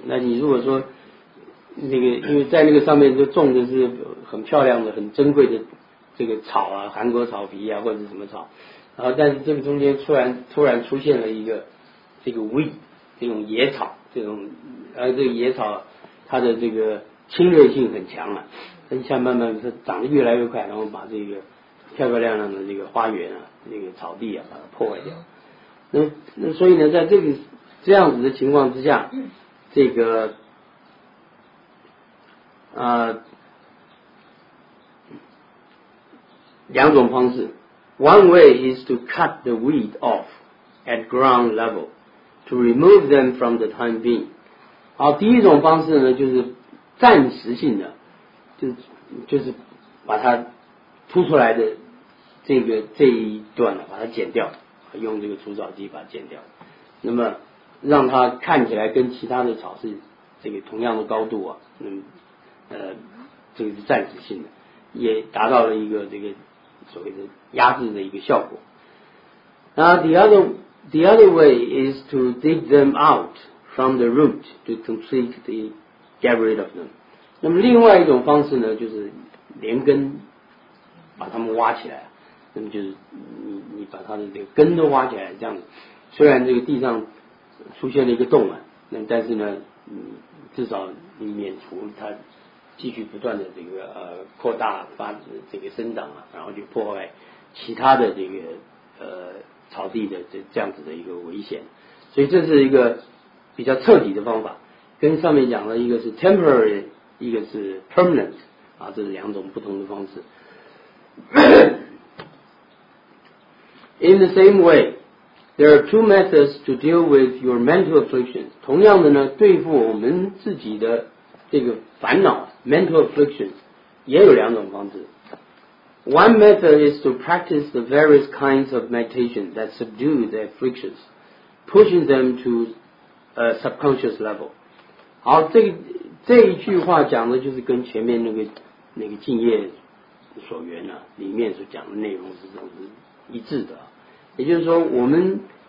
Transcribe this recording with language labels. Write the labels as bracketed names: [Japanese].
[Chinese] 那你如果说那个，因为在那个上面就种的是很漂亮的很珍贵的这个草啊，韩国草皮啊或者什么草，然后但是这个中间突然出现了一个这个 weed 这种野草，这种而这个野草它的这个侵略性很强啊，但像慢慢它长得越来越快，然后把这个漂漂亮亮的这个花园啊那个草地啊把它破坏掉。那所以呢，在这个这样子的情况之下，这个两种方式。 [English] One way is to cut the weed off at ground level to remove them from the time being. [Chinese] 好，第一种方式呢，就是暂时性的，就是把它突出来的这一段呢，把它剪掉，用这个除草机把它剪掉，那么让它看起来跟其他的草是这个同样的高度啊，这个是暂时性的，也达到了一个这个所谓的压制的一个效果。 [English] 那 the other way is to dig them out from the root to completely get rid of them. [Chinese] 那么另外一种方式呢，就是连根把它们挖起来，那么就是你把它的这个根都挖起来，这样虽然这个地上出现了一个洞啊，那么但是呢，至少你免除它继续不断的这个扩大发这个生长啊，然后去破坏其他的这个草地的这样子的一个危险。所以这是一个比较彻底的方法，跟上面讲的一个是 temporary， 一个是 permanent 啊，这是两种不同的方式。 [English] In the same way, there are two methods to deal with your mental afflictions. [Chinese] 同样的呢，对付我们自己的这个烦恼 mental afflictions 也有两种方式。 [English] One method is to practice the various kinds of meditation that subdue the afflictions, pushing them to a subconscious level. [Chinese] 好，这一句话讲的就是跟前面那个敬业所缘啊里面所讲的内容是一致的。也就是说，我们